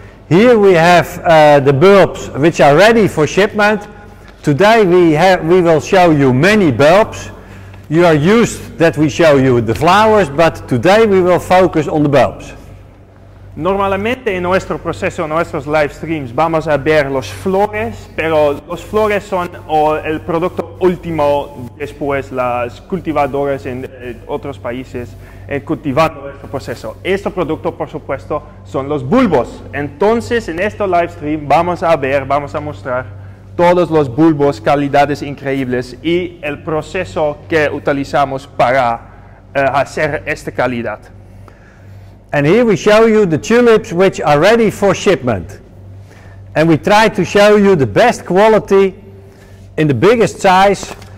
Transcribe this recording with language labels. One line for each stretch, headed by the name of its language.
English: Here we have the bulbs which are ready for shipment. Today we will show you many bulbs. You are used that we show you the flowers, but today we will focus on the bulbs.
Spanish: Normalmente en nuestro proceso, en nuestros live streams, vamos a ver los flores, pero los flores son el producto último después las cultivadoras en otros países cultivando nuestro proceso. Este producto, por supuesto, son los bulbos. Entonces, en este live stream vamos a ver, vamos a mostrar todos los bulbos, calidades increíbles y el proceso que utilizamos para hacer esta calidad.
English: And here we show you the tulips which are ready for shipment. And we try to show you the best quality in the biggest size.